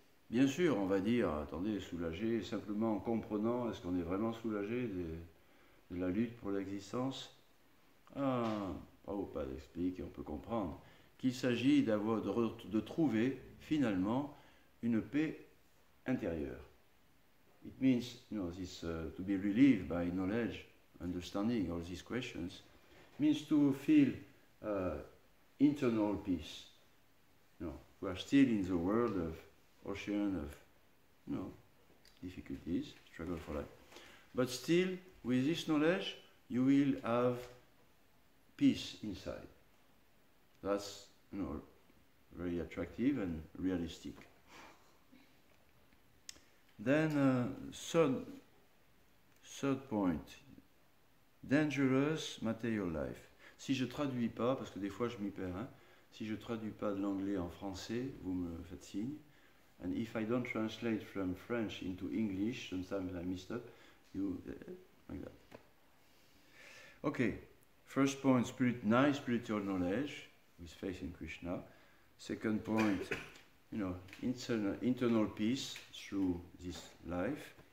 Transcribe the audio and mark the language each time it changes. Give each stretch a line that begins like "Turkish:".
French: Bien sûr, on va dire, attendez, soulagé, simplement en comprenant, est-ce qu'on est vraiment soulagé de la lutte pour l'existence? Ah, Prabhupada explique, on peut comprendre qu'il s'agit d'avoir de trouver finalement une paix intérieure.
English: It means, you know, this to be relieved by knowledge, understanding all these questions, means to feel internal peace. You know, we are still in the world of ocean of, you know, difficulties, struggle for life. But still, with this knowledge, you will have peace inside. That's, you know, very attractive and realistic. Then, third point, dangerous material life.
French: Si je traduis pas, parce que des fois je m'y perds, hein, si je traduis pas de l'anglais en français, vous me faites signe.
English: And if I don't translate from French into English, sometimes I messed up, you, like that. Okay, first point, nice spiritual knowledge, with faith in Krishna. Second point, you know, internal peace through this life.